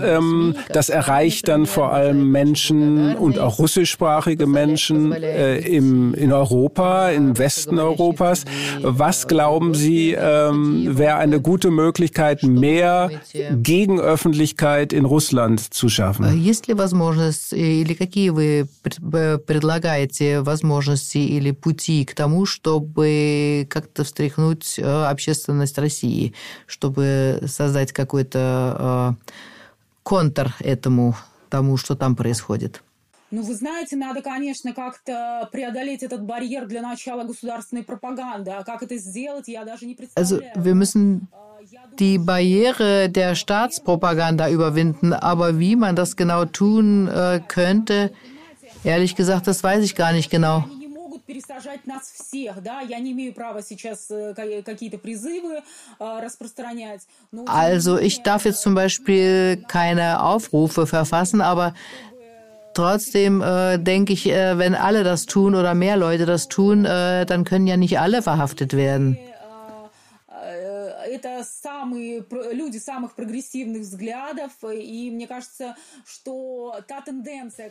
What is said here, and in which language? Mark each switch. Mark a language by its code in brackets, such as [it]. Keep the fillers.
[de] Ähm, das erreicht dann vor allem Menschen und auch russischsprachige Menschen äh, im, in Europa, im Westen Europas. Was glauben Sie, ähm, wäre eine gute Möglichkeit, mehr Gegenöffentlichkeit in Russland zu schaffen? [ru] Есть ли возможность или какие вы предлагаете возможности или пути к тому, чтобы как-то встряхнуть общественность России, чтобы создать какой-то контр этому, тому, что там происходит? Ну, вы знаете, надо, конечно, как-то преодолеть этот барьер для начала государственной пропаганды. А как это сделать, я даже не представляю. [de] Also, wir müssen die Barriere der Staatspropaganda überwinden, aber wie man das genau tun könnte, ehrlich gesagt, das weiß ich gar nicht genau. [ru] пересажать нас всех, да, я не имею права сейчас какие-то призывы распространять. Но... [de] Also, ich darf jetzt zum Beispiel keine Aufrufe verfassen, aber Trotzdem äh, denke ich, äh, wenn alle das tun oder mehr Leute das tun, äh, dann können ja nicht alle verhaftet werden. [ru] это самые люди самых прогрессивных взглядов, и мне кажется, что та тенденция,